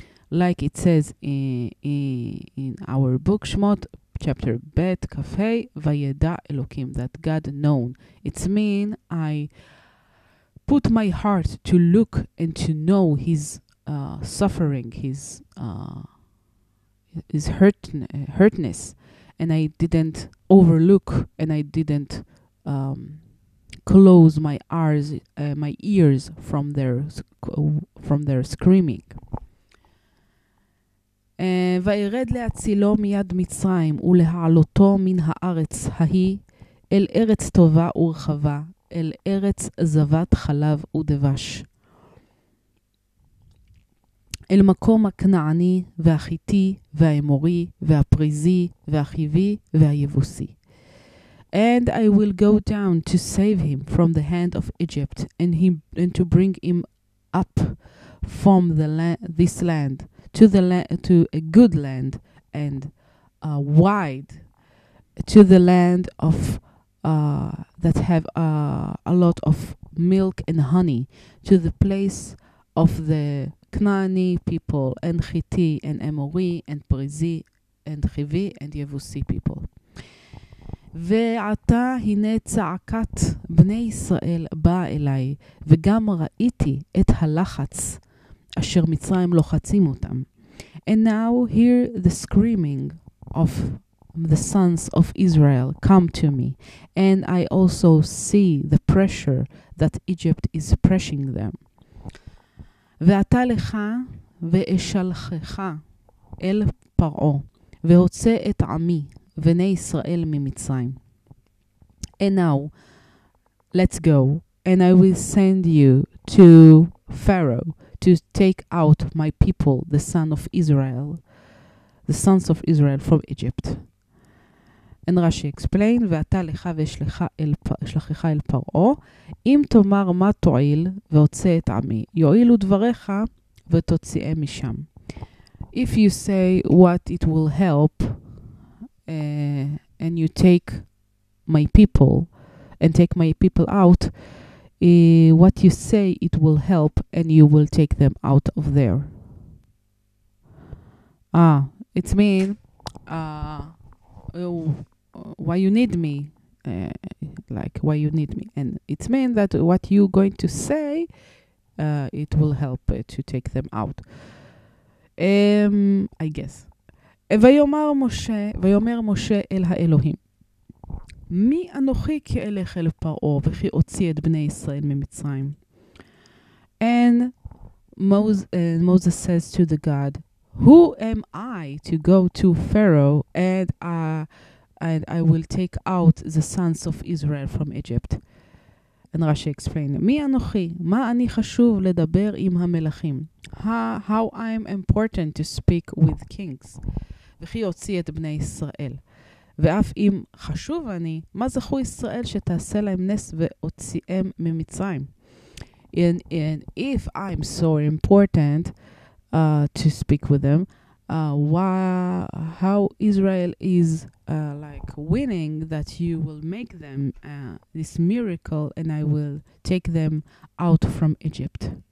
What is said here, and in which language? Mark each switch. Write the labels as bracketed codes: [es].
[en] like it says in our book shmot chapter bet kafei [he] veyada elohim [en] that God known it's mean I put my heart to look and to know his suffering his hurtness and I didn't overlook and I didn't close my ears from their screaming [he] וירד להצילו מיד מצרים ולהעלותו מן הארץ ההיא אל ארץ טובה ורחבה אל ארץ זבת חלב ודבש. אל מקום הכנעני והחיטי והאמורי והפריזי והחיבי והיבוסי. [en] And I will go down to save him from the hand of Egypt and to bring him up from the this land to the to a good land and a wide to the land of that have a lot of milk and honey to the place of the Canaanite people and Hittite and Amori and Perizzi and Hivi and Yevusi people. [he] ועתה הנה צעקת בני ישראל באה אליי, וגם ראיתי את הלחץ אשר מצרים לוחצים אותם. [en] And now hear the screaming of the sons of Israel come to me, and I also see the pressure that Egypt is pressing them. [he] ועתה לך ואשלחך אל פרעו, והוצא את עמי, בני ישראל ממצרים. [en] And now, let's go, and I will send you to Pharaoh to take out my people, the son of Israel, the sons of Israel from Egypt. And Rashi explained, [he] ואתה לך ושלחך אל פרעו, אם תאמר מה תועיל והוצא את עמי, יועילו דבריך ותוציאה משם. [en] If you say what it will help, and you take my people and take my people out, what you say it will help and you will take them out of there. Ah, it's mean why you need me, like why you need me, and it's mean that what you going to say it will help to take them out, I guess. [he] ויאמר משה, ויאמר משה אל האלוהים, מי אנוכי כי אלך אל פרעה וכי אוציא את בני ישראל ממצרים? [en] And Moses says to the God, who am I to go to Pharaoh and I will take out the sons of Israel from Egypt? And Rashi explained, [he] מי אנוכי? מה אני חשוב לדבר עם המלכים? [en] How I am important to speak with kings? [he] וכי יוציא את בני ישראל. ואף אם חשוב אני, מה זכו ישראל שתעשה להם נס ואוציאם ממצרים? [en] And if I'm so important to speak with them, how Israel is like winning that you will make them this miracle and I will take them out from Egypt.